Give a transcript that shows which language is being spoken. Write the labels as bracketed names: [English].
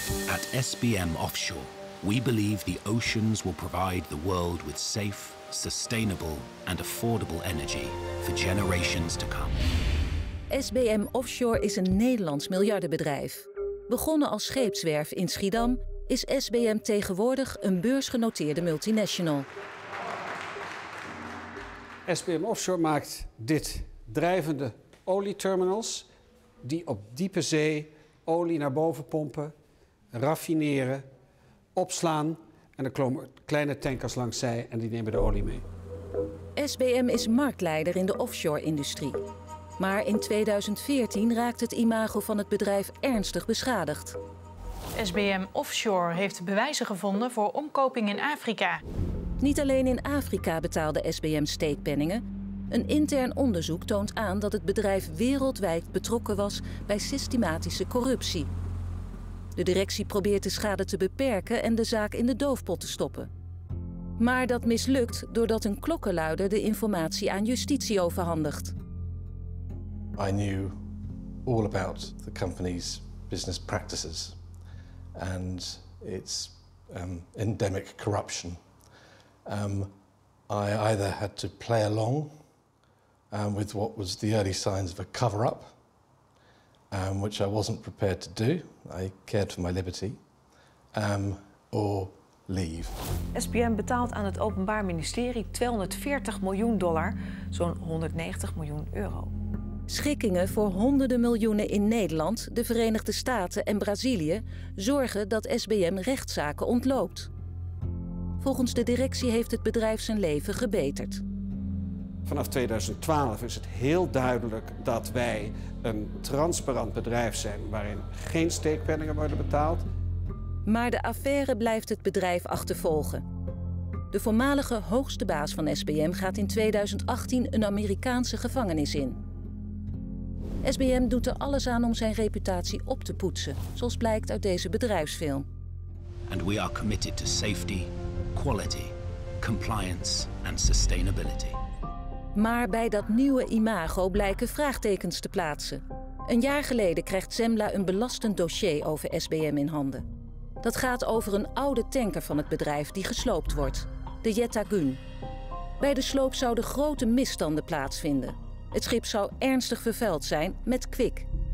[English] At SBM Offshore, we believe the oceans will provide the world with safe, sustainable and affordable energy for generations to come. [Dutch] SBM Offshore is een Nederlands miljardenbedrijf. Begonnen als scheepswerf in Schiedam, is SBM tegenwoordig een beursgenoteerde multinational. SBM Offshore maakt dit drijvende olieterminals die op diepe zee olie naar boven pompen, raffineren, opslaan en er komen kleine tankers langs zij en die nemen de olie mee. SBM is marktleider in de offshore-industrie. Maar in 2014 raakt het imago van het bedrijf ernstig beschadigd. SBM Offshore heeft bewijzen gevonden voor omkoping in Afrika. Niet alleen in Afrika betaalde SBM steekpenningen. Een intern onderzoek toont aan dat het bedrijf wereldwijd betrokken was bij systematische corruptie. De directie probeert de schade te beperken en de zaak in de doofpot te stoppen. Maar dat mislukt doordat een klokkenluider de informatie aan justitie overhandigt. [English] I knew all about the company's business practices and its endemic corruption. I either had to play along with what was the early signs of a cover-up, which I wasn't prepared to do. I cared for my liberty. Or leave. [Dutch] SBM betaalt aan het Openbaar Ministerie $240 miljoen, zo'n €190 miljoen. Schikkingen voor honderden miljoenen in Nederland, de Verenigde Staten en Brazilië zorgen dat SBM rechtszaken ontloopt. Volgens de directie heeft het bedrijf zijn leven gebeterd. Vanaf 2012 is het heel duidelijk dat wij een transparant bedrijf zijn waarin geen steekpenningen worden betaald. Maar de affaire blijft het bedrijf achtervolgen. De voormalige hoogste baas van SBM gaat in 2018 een Amerikaanse gevangenis in. SBM doet er alles aan om zijn reputatie op te poetsen, zoals blijkt uit deze bedrijfsfilm. [English] And we are committed to safety, quality, compliance and sustainability. [Dutch] Maar bij dat nieuwe imago blijken vraagtekens te plaatsen. Een jaar geleden krijgt Zembla een belastend dossier over SBM in handen. Dat gaat over een oude tanker van het bedrijf die gesloopt wordt, de Yetta Gun. Bij de sloop zouden grote misstanden plaatsvinden. Het schip zou ernstig vervuild zijn met kwik.